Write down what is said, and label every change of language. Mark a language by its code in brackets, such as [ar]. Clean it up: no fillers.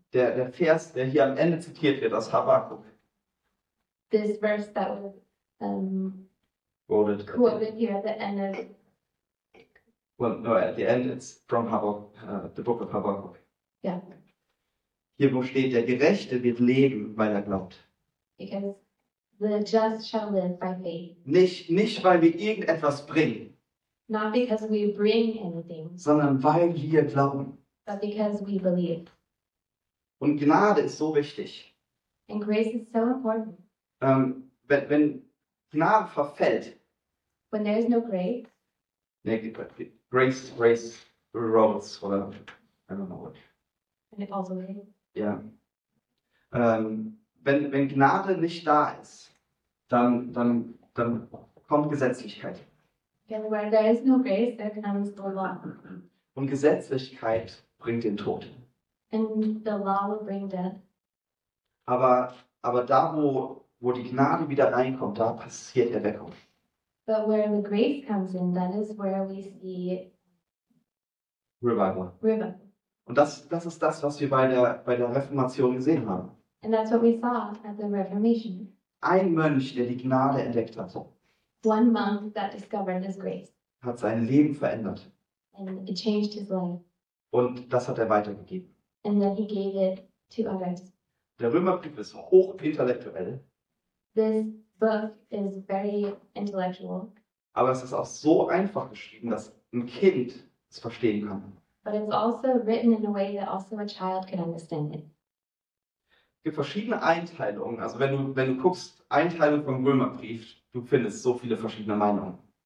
[de] Der Vers, der hier am Ende zitiert wird, aus Habakkuk. [en] This verse that was quoted here at the end of... Well, no, at the end it's from Habakkuk, the book of Habakkuk. Yeah. [de] Hier, wo steht, der Gerechte wird leben, weil er glaubt. [en] Because the just shall live by faith. [de] Nicht, weil wir irgendetwas bringen. [en] Not because we bring anything. [de] Sondern weil wir glauben. [en] But because we believe. [de] Und Gnade ist so wichtig. [en] And grace is so important. [de] Wenn Gnade verfällt. [en] When there is no grace. Grace rolls, oder? I don't know what. And it falls away. [de] Ja. Wenn Gnade nicht da ist, dann kommt Gesetzlichkeit. [en] And where there is no grace, there comes the law. [de] Und Gesetzlichkeit bringt den Tod. [en] And the law will bring death. [de] Aber da, wo die Gnade wieder reinkommt, da passiert Erweckung. [en] But where the grace comes in, that is where we see revival. [de] Und das ist das, was wir bei der Reformation gesehen haben. [en] And that's what we saw at the Reformation. [de] Ein Mönch, der die Gnade entdeckt hat, [en] One monk that discovered his grace. [de] Hat sein Leben verändert. [en] And it changed his life. [de] Und das hat er weitergegeben. [en] And then he gave it to others. [de] Der Römerbrief ist hochintellektuell. [en] This book is very intellectual. [de] Aber es ist auch so einfach geschrieben, dass ein Kind es verstehen kann. [en] But it's also written in a way that also a child can understand it. [de] Es gibt verschiedene Einteilungen. Also wenn du guckst, Einteilung vom Römerbrief, du findest so viele verschiedene Meinungen.